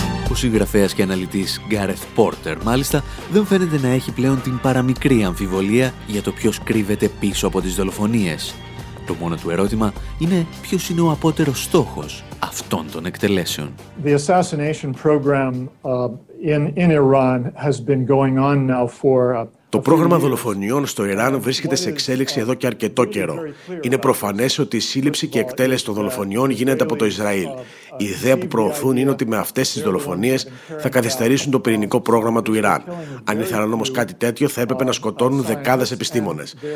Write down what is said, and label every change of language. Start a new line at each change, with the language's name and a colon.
Greek: Ο συγγραφέας και αναλυτής Γκάρεθ Πόρτερ, μάλιστα, δεν φαίνεται να έχει πλέον την παραμικρή αμφιβολία για το ποιος κρύβεται πίσω από τις δολοφονίες. Το μόνο του ερώτημα είναι ποιος είναι ο απότερος στόχος αυτών των εκτελέσεων.
English: The assassination program in Iran has been going on now for
Greek: Το πρόγραμμα δολοφονιών στο Ιράν βρίσκεται σε εξέλιξη εδώ και αρκετό καιρό. Είναι προφανές ότι η σύλληψη και εκτέλεση των δολοφονιών γίνεται από το Ισραήλ. Η ιδέα που προωθούν είναι ότι με αυτές τις δολοφονίες θα καθυστερήσουν το πυρηνικό πρόγραμμα του Ιράν. Αν ήθελαν όμως κάτι τέτοιο, θα έπρεπε να σκοτώνουν δεκάδες επιστήμονες.